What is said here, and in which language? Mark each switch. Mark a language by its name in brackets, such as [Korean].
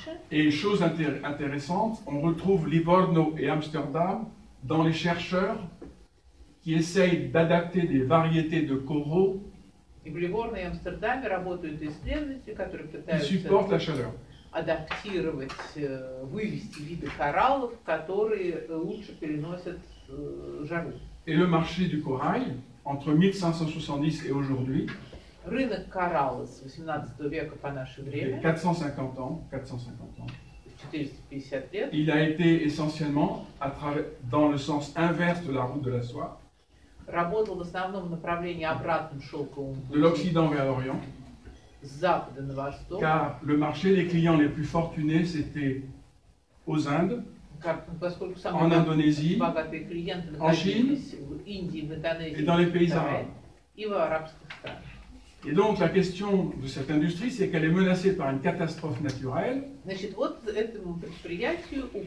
[French] Et chose intéressante, on retrouve Livorno et Amsterdam dans les chercheurs qui essayent d'adapter des variétés de coraux [Russian] et в Ливорно и Амстердаме работают исследователи, которые пытаются [French] supportent la chaleur. [Russian] Вывести виды кораллов, которые лучше переносят жару. [French] Et le marché du corail entre 1570 et aujourd'hui? [Russian] Рынок коралла с 18 века по наше время. [French] 450 ans. [Russian] 450 лет. [French] Il a été essentiellement dans le sens inverse de la route de la soie. [Russian] Работал в основном в направлении обратным шелковым путем. [French] De l'Occident vers l'Orient. [Russian] С запада на восток. [French] Car le marché, les clients les plus fortunés, c'était aux Indes, en Indonésie, [Russian] богатые клиенты находились в Индии, в Индонезии, [French] et dans les pays arabes. [Russian] И в арабских странах. [French] Et donc la question de cette industrie, c'est qu'elle est menacée par une catastrophe naturelle. [Russian] Значит, вот этому предприятию угрожает.